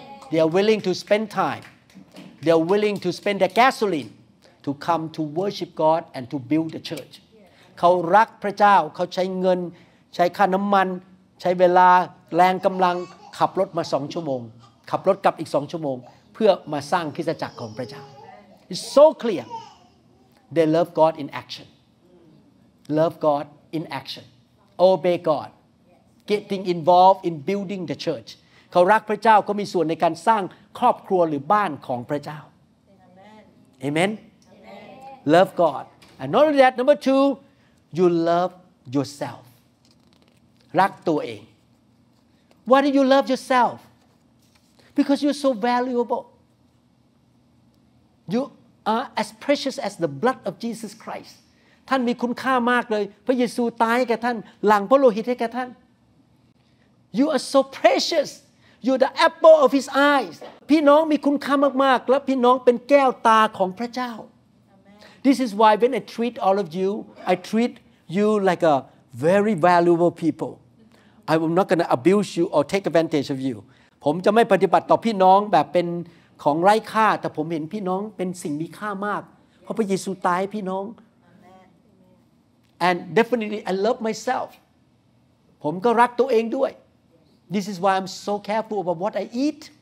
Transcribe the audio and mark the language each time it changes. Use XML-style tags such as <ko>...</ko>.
<en>they are willing to spend time they are willing to spend their gasoline to come to worship God and to build the church</en> <th>เขารักพระเจ้าเขาใช้เงินใช้ค่าน้ำมันใช้เวลาแรงกำลังขับรถมา2ชั่วโมงขับรถกลับอีก2ชั่วโมงเพื่อมาสร้างคริสตจักรของพระเจ้า</th> <en>It's so clear they love God in action love God in action obey God getting involved in building the church</en> <th>เขารักพระเจ้าก็มีส่วนในการสร้างครอบครัวหรือบ้านของพระเจ้า</th> <en>Amen Amen love God and not only that number 2You love yourself.</en> <th>รักตัวเอง</th> <en>Why do you love yourself? Because you're so valuable. You are as precious as the blood of Jesus Christ.</en> <th>ท่านมีคุณค่ามากเลยพระเยซูตายให้แก่ท่านหลั่งพระโลหิตให้แก่ท่าน</th> <en>You are so precious. You're the apple of his eyes.</en> <th>พี่น้องมีคุณค่ามากๆและพี่น้องเป็นแก้วตาของพระเจ้า</th> <en>This is why when I treat all of you, I treat you like a very valuable people. I am not going to abuse you or take advantage of you.</en> <th>ผมจะไม่ปฏิบัติต่อพี่น้องแบบเป็นของไร้ค่าแต่ผมเห็นพี่น้องเป็นสิ่งมีค่ามากเพราะพระเยซูตายให้พี่น้อง</th> <en>And definitely I love myself.</en> <th>ผมก็รักตัวเองด้วย</th> <en>This is why I'm so careful about what I eat.</en>